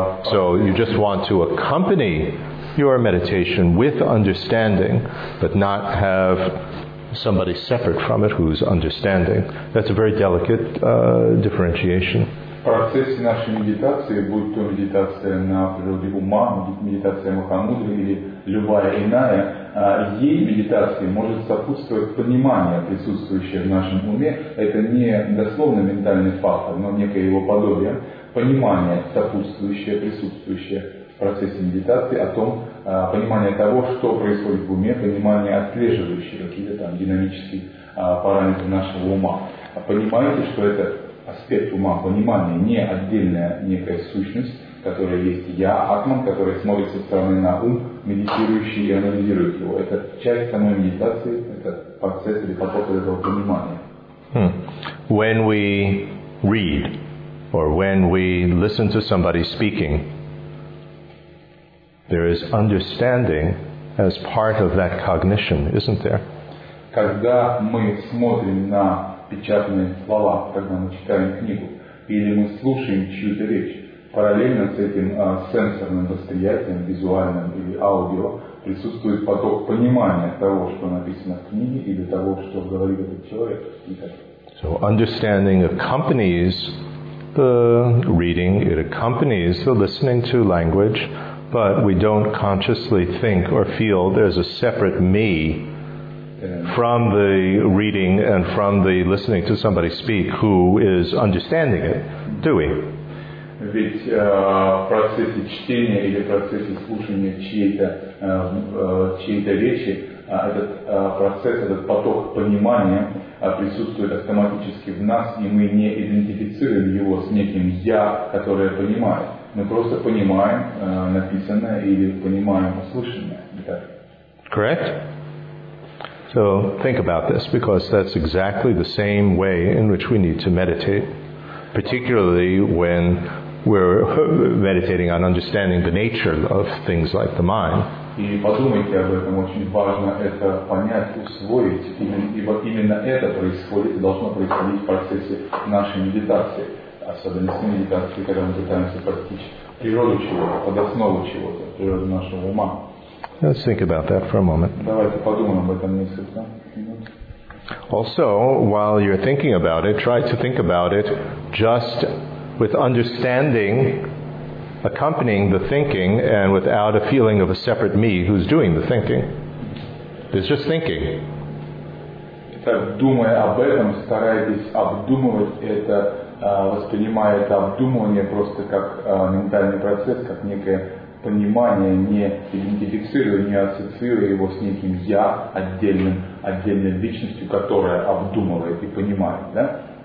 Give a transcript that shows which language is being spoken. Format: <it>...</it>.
<en>So you just want to accompany your meditation with understanding, but not have somebody separate from it who's understanding. That's a very delicate differentiation.</en> <ru>В процессе нашей медитации, будь то медитация на природе ума, медитация Махамудры или любая иная, ей медитации может сопутствовать понимание, присутствующее в нашем уме. Это не дословно ментальный фактор, но некое его подобие. Понимание, сопутствующее, присутствующее в процессе медитации о том, понимание того, что происходит в уме, понимание, отслеживающее какие-то там динамические параметры нашего ума. Понимаете, что это аспект ума, понимание, не отдельная некая сущность, которая есть я, атман, который смотрит со стороны на ум, медитирующий и анализирует его. Это часть самой медитации, это процесс или поток этого понимания.</ru> <en>When we read, or when we listen to somebody speaking, there is understanding as part of that cognition, isn't there?</en> <ru>Когда мы смотрим на печатные слова, когда мы читаем книгу, или мы слушаем чью-то речь, параллельно с этим сенсорным восприятием, визуальным или аудио, присутствует поток понимания того, что написано в книге, или того, что говорит этот человек.</ru> <en>So understanding accompanies the reading, it accompanies the listening to language, but we don't consciously think or feel there's a separate me from the reading and from the listening to somebody speak who is understanding it, do we?</en> <ru>Ведь в процессе чтения или в процессе слушания чьей-то речи этот процесс, этот поток понимания присутствует автоматически в нас, и мы не идентифицируем его с неким «я», которое понимает. Мы просто понимаем написанное или понимаем услышанное.</ru> <en>Correct? So think about this, because that's exactly the same way in which we need to meditate, particularly when we're meditating on understanding the nature of things like the mind.</en> <ru>И подумайте об этом, очень важно это понять, усвоить, ибо именно это происходит и должно происходить в процессе нашей медитации. Особенно с медитацией, когда мы пытаемся постичь природу чего-то, под основу чего-то, природу нашего ума.</ru> <en>Let's think about that for a moment.</en> <ru>Давайте подумаем об этом несколько минут.</ru> <en>Also, while you're thinking about it, try to think about it just with understanding accompanying the thinking and without a feeling of a separate me who's doing the thinking. It's just thinking.</en> <ru>Так, думая об этом, стараясь обдумывать это, воспринимая это обдумывание просто как ментальный процесс, как некое понимание, не идентифицируя, не ассоциируя его с неким «я» отдельной личностью, которая обдумывает и понимает, да?</ru>